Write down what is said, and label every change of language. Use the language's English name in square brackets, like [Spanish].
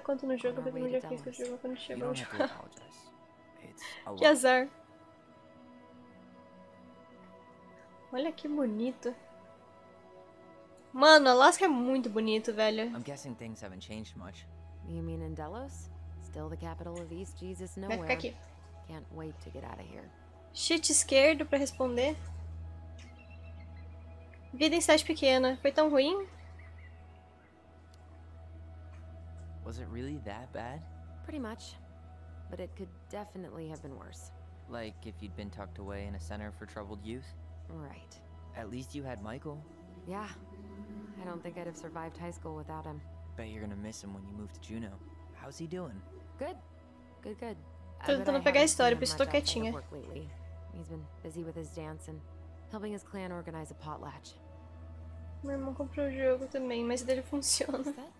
[Portuguese] quanto no jogo, eu já fiz que jogo quando chegou. [English] You don't have to apologize. It's a lot. [Portuguese] Que azar. Olha que bonito. Mano, Alaska é muito bonito, velho. [English] I'm guessing things haven't changed much. You mean in Delos? Still the capital of East Jesus nowhere. [Portuguese] Vai ficar aqui. [English] Can't wait to get out of here. [Portuguese] Shit esquerdo pra responder. Vida em cidade pequena. Foi tão ruim? [English] Was it really that bad? Pretty much. But it could definitely have been worse. Like if you'd been tucked away in a center for troubled youth? Right. At least you had Michael. Yeah. I don't think I'd have survived high school without him. Bet you're gonna miss him when you move to Juno. How's he doing? Good. Good, good. [Portuguese] Tô tentando pegar a história, por isso tô quietinha. [English] He's been busy with his dance and helping his clan organize a potlatch. [Portuguese] Meu irmão comprou o jogo também, mas dele funciona.